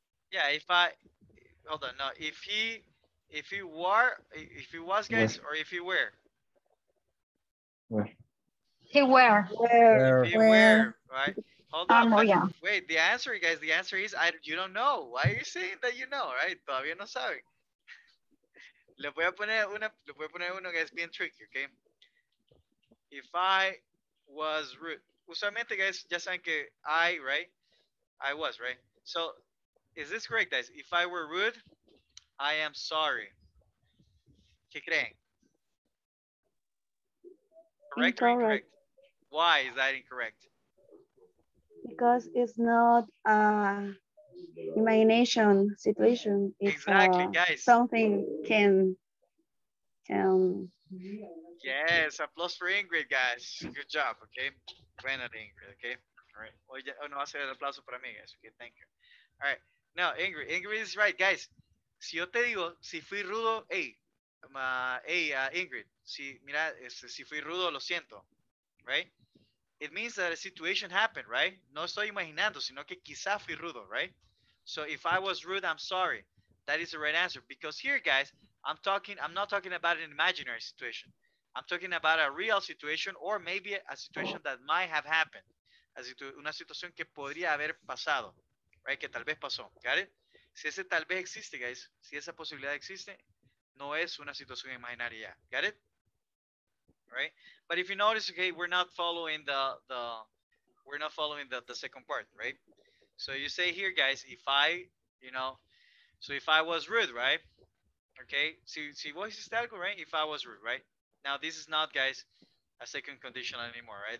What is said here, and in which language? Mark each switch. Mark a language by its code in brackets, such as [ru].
[en] Yeah, if I, hold on, no, if he was, or if he were? He were, right? Hold on, wait, the answer, guys, the answer is, you don't know. Why are you saying that you know, right? [es] Todavía no sabe. Le voy a poner uno que es bien tricky, okay? [en] If I was rude. [es] Usualmente, [en] guys, [es] ya saben que [en] I was, right? So, is this correct, guys? If I were rude, I am sorry. [es] ¿Qué creen? [en] Correct or incorrect? Why is that incorrect? Because it's not a imagination situation. Exactly, guys. Something can. Yes, applause for Ingrid, guys. Good job, okay? Bueno, Ingrid, okay? All right. [es] Oh, no, hacer el aplauso para mí, guys. [en] Okay, thank you. All right. Now, Ingrid is right, guys. [es] Si yo te digo, si fui rudo, Ingrid, si fui rudo, lo siento, right? [en] It means that a situation happened, right? [es] No estoy imaginando, sino que quizá fui rudo, right? [en] So if I was rude, I'm sorry. That is the right answer. Because here, guys, I'm not talking about an imaginary situation. I'm talking about a real situation or maybe a situation that might have happened. [es] Una situación que podría haber pasado, right? Que tal vez pasó, got it? Si ese tal vez existe, guys, si esa posibilidad existe, no es una situación imaginaria, got it? [en] Right? But if you notice, okay, we're not following the second part, right? So you say here, guys, if I was rude, right? Okay, [es] si vos hiciste algo, [en] right? If I was rude, right? Now, this is not, guys, a second conditional anymore, right?